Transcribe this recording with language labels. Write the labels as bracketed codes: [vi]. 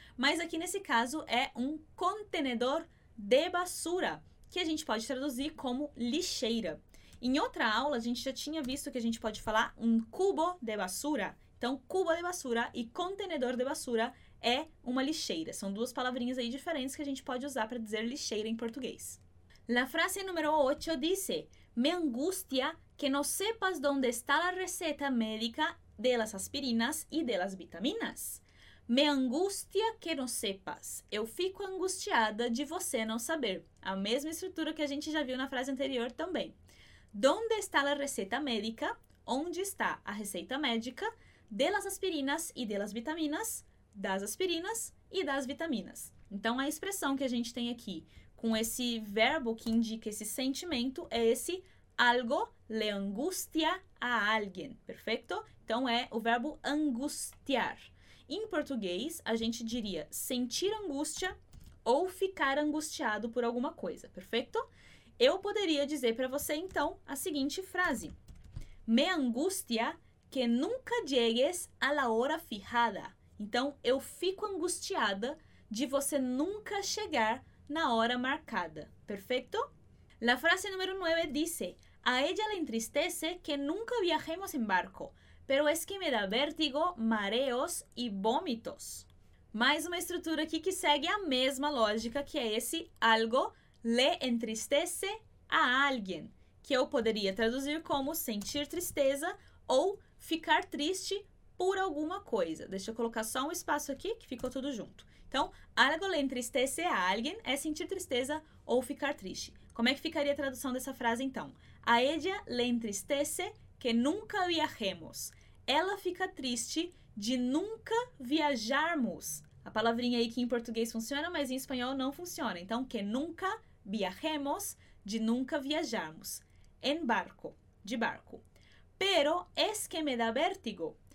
[pt] Mas aqui nesse caso é um contenedor de basura, que a gente pode traduzir como lixeira. Em outra aula, a gente já tinha visto que a gente pode falar um cubo de basura. Então, cubo de basura e contenedor de basura é uma lixeira. São duas palavrinhas aí diferentes que a gente pode usar para dizer lixeira em português. [es] La frase número 8 dice: me angustia que no sepas dónde está la receta médica de las aspirinas y de las vitaminas. Me angustia que [pt] não sepas. Eu fico angustiada de você não saber. A mesma estrutura que a gente já viu na frase anterior também. [es] Donde está la receta médica? [pt] Onde está a receita médica? [es] De las aspirinas e de las vitaminas? [pt] Das aspirinas e das vitaminas. Então, a expressão que a gente tem aqui com esse verbo que indica esse sentimento é esse [es] algo le angustia a alguien. [pt] Perfeito? Então, é o verbo angustiar. Em português, a gente diria sentir angústia ou ficar angustiado por alguma coisa, perfeito? Eu poderia dizer para você, então, a seguinte frase. [es] Me angustia que nunca llegues a la hora fijada. [pt] Então, eu fico angustiada de você nunca chegar na hora marcada, perfeito? [es] La frase número 9 dice, a ella le entristece que nunca viajemos en barco. Pero es que me da vértigo, mareos y vómitos. [pt] Mais uma estrutura aqui que segue a mesma lógica, que é esse [es] algo le entristece a alguien, [pt] que eu poderia traduzir como sentir tristeza ou ficar triste por alguma coisa. Deixa eu colocar só um espaço aqui que ficou tudo junto. Então, [es] algo le entristece a alguien [pt] é sentir tristeza ou ficar triste. Como é que ficaria a tradução dessa frase, então? [es] A ella le entristece que nunca viajemos. [pt] Ela fica triste de nunca viajarmos. A palavrinha aí que em português funciona, mas em espanhol não funciona. Então, [es] que nunca viajemos, [pt] de nunca viajarmos. [es] En barco, [pt] de barco. [es] Pero es que me da vértigo.